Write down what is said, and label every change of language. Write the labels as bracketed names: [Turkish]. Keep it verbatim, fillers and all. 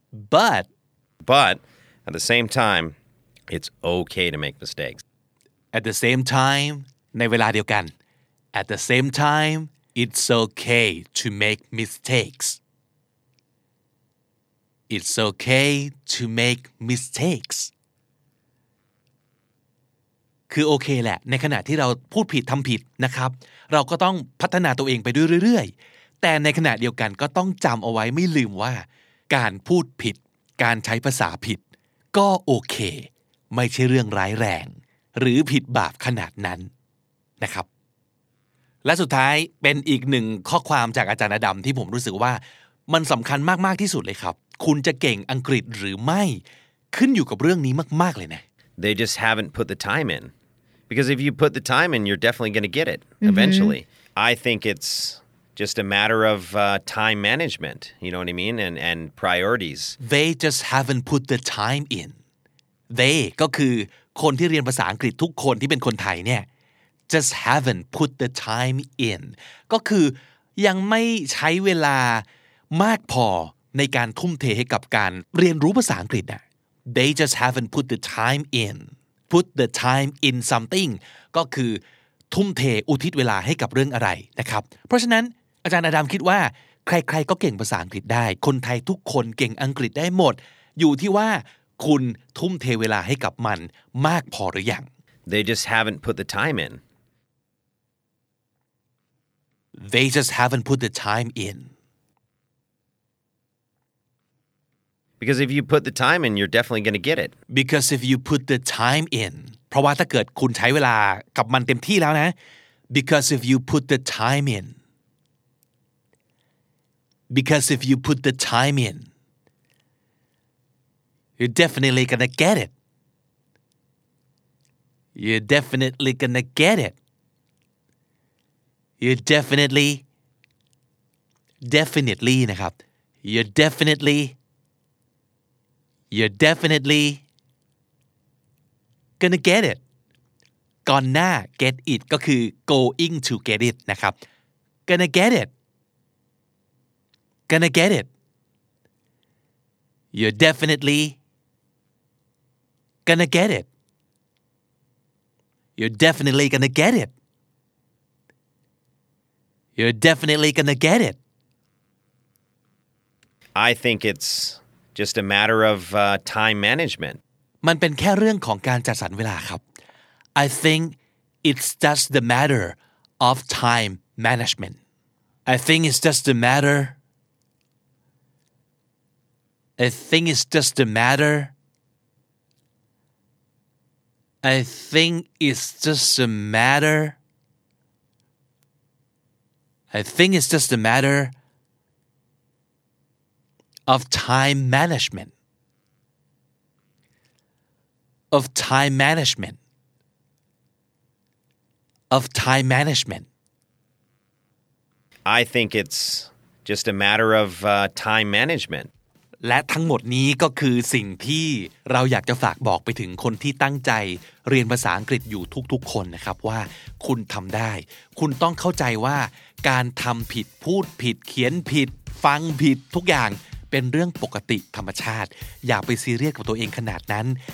[English] But, but at the same time, it's okay to make mistakes. At the same time, [Thai] ในเวลาเดียวกัน [English] At the same time, it's okay to make mistakes. It's okay to make mistakes [Thai] คือโอเคแหละในขณะที่เราพูดผิดทำผิดนะครับเราก็ต้องพัฒนาตัวเองไปด้วยเรื่อยๆแต่ในขณะเดียวกันก็ต้องจำเอาไว้ไม่ลืมว่าการพูดผิดการใช้ภาษาผิดก็โอเคไม่ใช่เรื่องร้ายแรงหรือผิดบาปขนาดนั้นนะครับ และสุดท้ายเป็นอีกหนึ่งข้อความจากอาจารย์อดัมที่ผมรู้สึกว่ามันสำคัญมากๆที่สุดเลยครับคุณจะเก่งอังกฤษหรือไม่ขึ้นอยู่กับเรื่องนี้มากๆเลยนะ [English] They just haven't put the time in because if you put the time in you're definitely going to get it mm-hmm. eventually I think it's just a matter of uh, time management you know what I mean and and priorities They just haven't put the time in They [Thai] ก็คือคนที่เรียนภาษาอังกฤษทุกคนที่เป็นคนไทยเนี่ย [English] just haven't put the time in [Thai] ก็คือยังไม่ใช้เวลา มากพอในการทุ่มเทให้กับการเรียนรู้ภาษาอังกฤษน่ะ [English] They just haven't put the time in put the time in something [Thai] ก็คือทุ่มเทอุทิศเวลาให้กับเรื่องอะไรนะครับเพราะฉะนั้นอาจารย์อดัมคิดว่าใครๆก็เก่งภาษาอังกฤษได้คนไทยทุกคนเก่งอังกฤษได้หมดอยู่ที่ว่าคุณทุ่มเทเวลาให้กับมันมากพอหรือยัง [English] They just haven't put the time in They just haven't put the time in Because if you put the time in, you're definitely going to get it. Because if you put the time in, [Thai] เพราะว่าถ้าเกิดคุณใช้เวลากับมันเต็มที่แล้วนะ [English] Because if you put the time in, Because if you put the time in, you're definitely going to get it. You're definitely going to get it. You're definitely, definitely [Thai] นะครับ [English] You're definitely, you're definitely gonna get it. Gonna get it [Thai] ก็คือ [English] going to get it [Thai] นะครับ [English] Gonna get it. Gonna get it. You're definitely gonna get it. You're definitely gonna get it. You're definitely gonna get it. I think it's just a matter of uh, time management. [Thai] มันเป็นแค่เรื่องของการจัดสรรเวลาครับ [English] I think it's just the matter of time management. I think it's just the matter. I think it's just the matter. I think it's just a matter. I think it's just a matter of time management. Of time management. Of time management. I think it's just a matter of uh, time management. [Thai] และทั้งหมดนี้ก็คือสิ่งที่เราอยากจะฝากบอกไปถึงคนที่ตั้งใจเรียนภาษาอังกฤษอยู่ทุกๆคนนะครับว่าคุณทำได้คุณต้องเข้าใจว่าการทำผิดพูดผิดเขียนผิดฟังผิดทุกอย่างเป็นเรื่องปกติธรรมชาติอย่าไปซีเรียสกับตัวเองขนาดนั้น